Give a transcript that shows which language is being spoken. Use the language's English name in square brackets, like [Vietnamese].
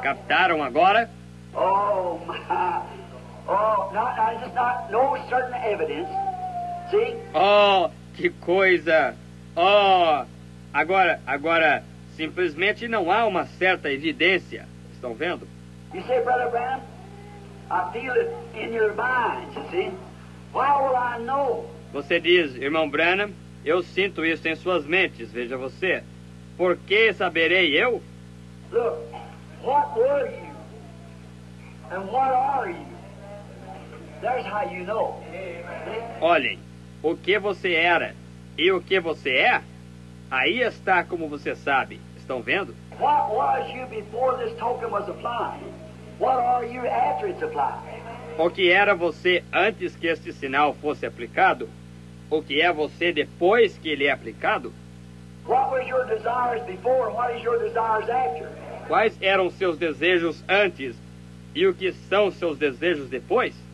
[Portuguese] Captaram agora? [English] Oh my! Oh, no certain evidence. See? [Portuguese] Oh, que coisa! Oh, agora, simplesmente não há uma certa evidência. Estão vendo? [English] You say, Brother Branham, I feel it in your mind. You see? Why will I know? [Portuguese] Você diz, irmão Branham, eu sinto isso em suas mentes. Veja você. Por que saberei eu? [English] Look. What were you? And what are you? That's how you know. [Portuguese] Olhem, o que você era e o que você é? Aí está como você sabe. Estão vendo? [English] What was you before this token was applied? What are you after it's applied? [Portuguese] O que era você antes que este sinal fosse aplicado? O que é você depois que ele é aplicado? [English] What was your desires before and what is your desires after? [Portuguese] Quais eram seus desejos antes e o que são seus desejos depois?